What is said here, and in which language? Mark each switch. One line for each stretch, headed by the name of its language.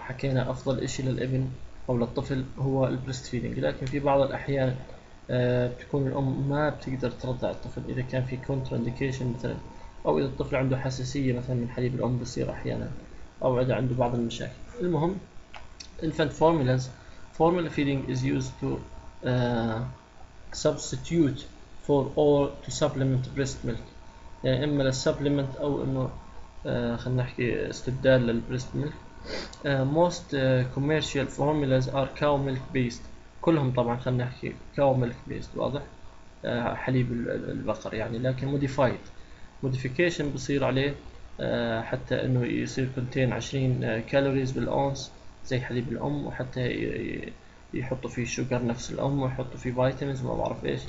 Arabic: حكينا أفضل إشي للابن أو للطفل هو
English: البريست فيدينج،
Arabic: لكن في بعض الأحيان بتكون الأم ما بتقدر ترضع الطفل إذا كان في
English: contraindication
Arabic: مثلا، أو إذا الطفل عنده حساسية مثلا من حليب الأم بصير أحيانا، أو إذا عنده بعض المشاكل. المهم،
English: infant formulas, formula feeding is used to substitute for or to supplement breast milk.
Arabic: يعني إما للسبلمنت أو إنه خلينا نحكي استبدال
English: للبريست milk. Most commercial formulas are cow milk based.
Arabic: كلهم طبعا خلينا نحكي
English: cow milk based،
Arabic: واضح؟ حليب البقر يعني، لكن modified. Modification بصير عليه حتى إنه يصير
English: contain 20 calories
Arabic: بالأونس زي حليب الأم، وحتى يحطوا فيه شوكر نفس الأم، ويحطوا فيه فيتامينز وما بعرف إيش.